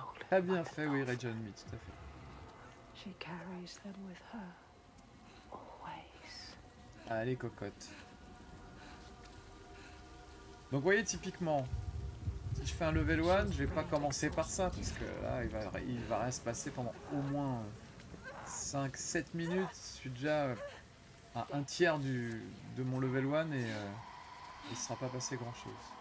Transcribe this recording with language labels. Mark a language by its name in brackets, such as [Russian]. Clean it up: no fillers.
[French] Ah, bien fait, oui, Region Me, tout à fait. [English] She carries them with her, always. [French] Allez, cocotte. Donc, vous voyez, typiquement, si je fais un level 1, je vais pas commencer par ça, parce que là, il va rien se passer pendant au moins 5-7 minutes. Je suis déjà à un tiers de mon level 1 et il ne sera pas passé grand-chose.